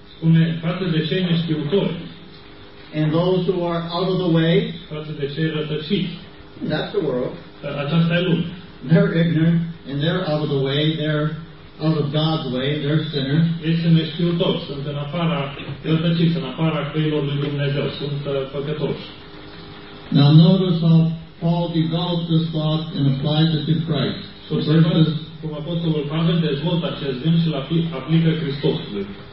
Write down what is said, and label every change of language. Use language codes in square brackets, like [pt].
[ro] spune, față de cei neștiutori, [en] and those who are out of the way, [ro] față de cei rătăciți, [en] that's the world. [ro] Aceasta e lumea. [en] They're ignorant and they're out of the way. They're out of God's way. They're sinners. [ro] Ei sunt neștiutori, sunt în afara rătăciți, în afara căilor lui Dumnezeu, sunt păcătoși. [en] Now notice how Paul develops this thought and applies it to Christ. So verses. [ro] Cum apostolul Pavel dezvoltă acest gând și aplică Hristosului.